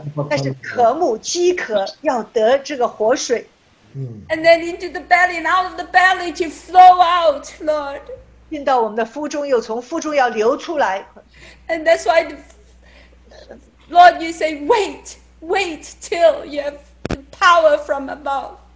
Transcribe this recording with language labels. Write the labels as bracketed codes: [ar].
[zh] 但是渴慕饥渴要得这个活水 [en] And then into the belly and out of the belly to flow out, Lord. [zh] 进到我们的腹中又从腹中要流出来 [en] And that's why, Lord, you say, wait till you have the power from above.